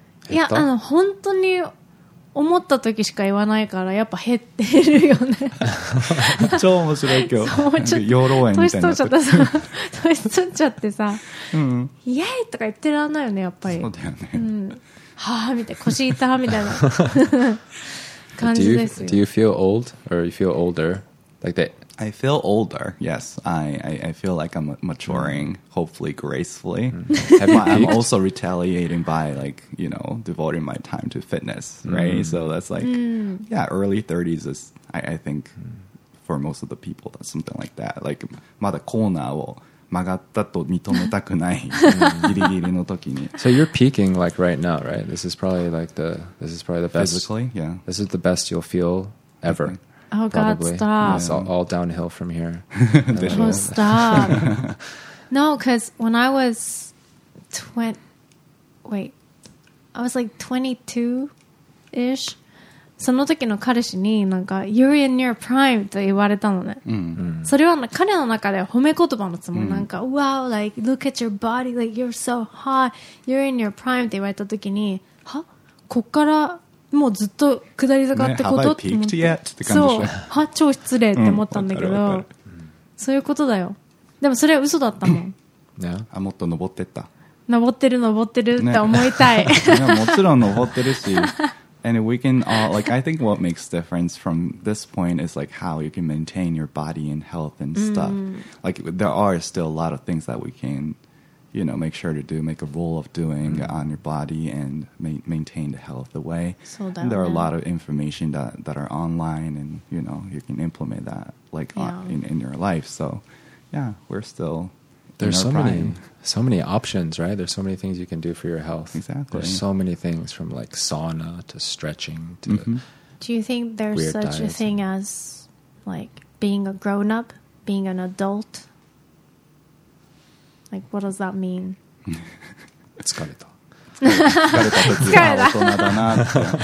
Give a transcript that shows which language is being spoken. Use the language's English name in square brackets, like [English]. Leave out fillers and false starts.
[Japanese] いやあの本当に思った時しか言わないからやっぱ減ってるよね超面白い今日養老園みたいになってる年取っちゃった年取っちゃってさ、うん、イエーイとか言ってらんないよねやっぱりそうだよね、うん、はぁみたいな腰痛みたいな感じですよ [English] do you feel old or you feel older like that I feel older yes I feel like I'm maturing hopefully gracefully、mm-hmm. I'm also retaliating by like you know devoting my time to fitness right、mm-hmm. so that's like、 mm-hmm. yeah early 30s is I think、mm-hmm. for most of the people that's something like that like [Japanese] まだコーナーを曲がったと認めたくないギリギリの時に [English] so you're peaking like right now right this is probably like the this is probably the best physically yeah this is the best you'll feel ever Oh, God, Probably. Stop. It's all downhill from here. Oh, stop. No, because when I was 20... Wait. I was like 22-ish. [Japanese] その時の彼氏になんか [English] You're in your prime [Japanese] と言われたのね。 [English] Mm-hmm. [Japanese] それは彼の中で褒め言葉のつもり。 [English] Mm-hmm. なんか Wow, like, look at your body. Like, you're so hot. You're in your prime [Japanese] と言われた時に、は? こっからもうずっと下り坂ってこと、ね、 [English] Have I peaked yet? [Japanese] って感じそうは超失礼って思ったんだけど、うん、そういうことだよでもそれは嘘だったもん、ね、あもっと登ってった登ってる登ってるって思いたい、ね、もちろん登ってるし [English] And we can all, like, I think what makes difference from this point is, like, how you can maintain your body and health and stuff、 [Japanese] うん、 [English] Like, there are still a lot of things that we canYou know, make sure to do, make a rule of doing、mm-hmm. on your body and maintain the health the way. And there are a lot of information that are online and, you know, you can implement that, like,、yeah. in your life. So, yeah, we're still There's in our so、 prime. Many, so many options, right? There's so many things you can do for your health. Exactly. There's so many things from, like, sauna to stretching to、 mm-hmm. Do you think there's such a thing as, like, being a grown-up, being an adult? Like, what does that mean? [Japanese] 疲れた。疲れた時は大人だなって。